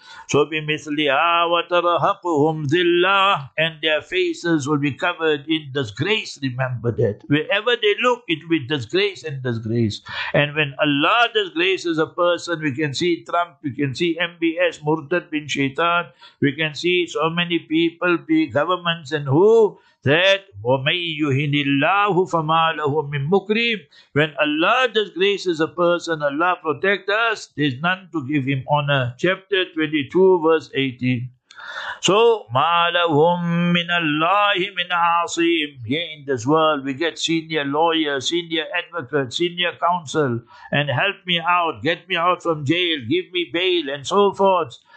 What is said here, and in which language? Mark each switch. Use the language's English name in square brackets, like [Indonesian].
[English] So [Arabic] بِمِثْلِهَا وَتَرَهَقُهُمْ ذِلَّهُ, [English] and their faces will be covered in disgrace, remember that. Wherever they look, it will be disgrace and disgrace. And when Allah disgraces a person, we can see Trump, we can see MBS, Murtad bin Shaitan, we can see so many people, be governments and who, [Arabic] that وَمَنْ يُهِنِ اللَّهُ فَمَا لَهُ مِنْ مُكْرِيمٍ. [English] When Allah disgraces a person, Allah protect us, there's none to give him honor. Chapter 22, verse 18. So, [Arabic] مَا لَهُمْ مِنَ اللَّهِ مِنْ عَاصِيمٍ. [English] Here in this world, we get senior lawyer, senior advocate, senior counsel, and help me out, get me out from jail, give me bail, and so forth.